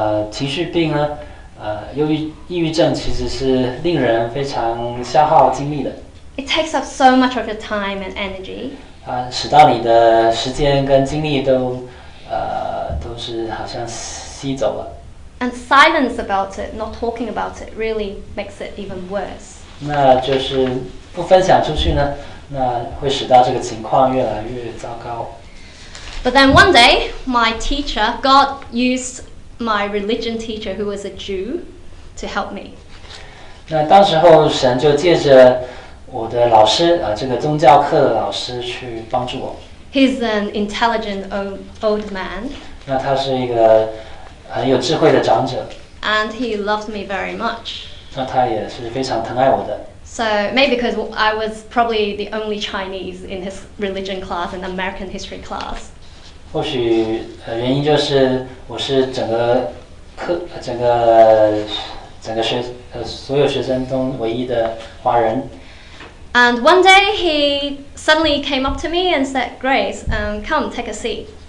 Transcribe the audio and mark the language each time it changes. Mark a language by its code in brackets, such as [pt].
[zh] 情绪病呢，由于抑郁症其实是令人非常消耗精力的。 [en] It takes up so much of your time and energy. [zh] 使到你的时间跟精力都是好像吸走了。 [en] And silence about it, not talking about it, really makes it even worse. [zh] 那就是不分享出去呢，那会使到这个情况越来越糟糕。 [en] But then one day, my teacher, God used. My religion teacher, who was a Jew, to help me. [zh] 那当时候神就借着我的老师这个宗教课的老师去帮助我。 [en] He's an intelligent old man. [zh] 那他是一个很有智慧的长者。 [en] And he loved me very much. [zh] 那他也是非常疼爱我的。 [en] So maybe because I was probably the only Chinese in his religion class and American history class. [zh] 或许原因就是我是整个学所有学生中唯一的华人。 [en] And one day he suddenly came up to me and said, Grace, come take a seat.